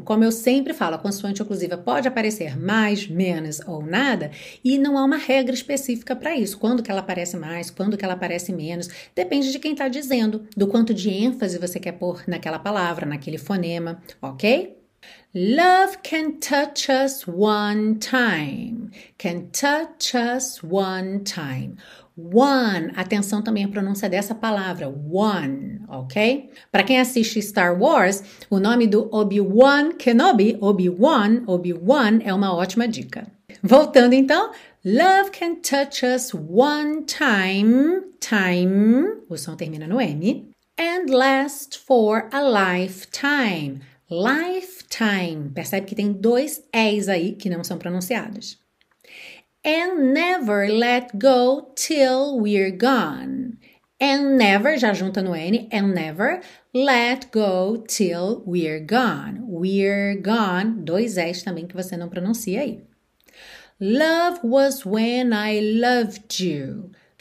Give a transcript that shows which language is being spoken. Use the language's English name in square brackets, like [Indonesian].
[Portuguese] Como eu sempre falo, a consoante oclusiva pode aparecer mais, menos ou nada, e não há uma regra específica para isso. Quando que ela aparece mais, quando que ela aparece menos, depende de quem está dizendo, do quanto de ênfase você quer pôr naquela palavra, naquele fonema, ok? [English] Love can touch us one time. Can touch us one time. One. [Portuguese] Atenção também à pronúncia dessa palavra. One. Ok? Para quem assiste Star Wars, o nome do Obi-Wan Kenobi, Obi-Wan, Obi-Wan, é uma ótima dica. Voltando então. [English] Love can touch us one time. Time. [Portuguese] O som termina no M. [English] And last for a lifetime. Lifetime. [Portuguese] Percebe que tem dois E's aí que não são pronunciados. [English] And never let go till we're gone. And never, [Portuguese] já junta no N, [English] and never let go till we're gone. We're gone. [Portuguese] Dois E's também que você não pronuncia aí. [English] Love was when I loved you.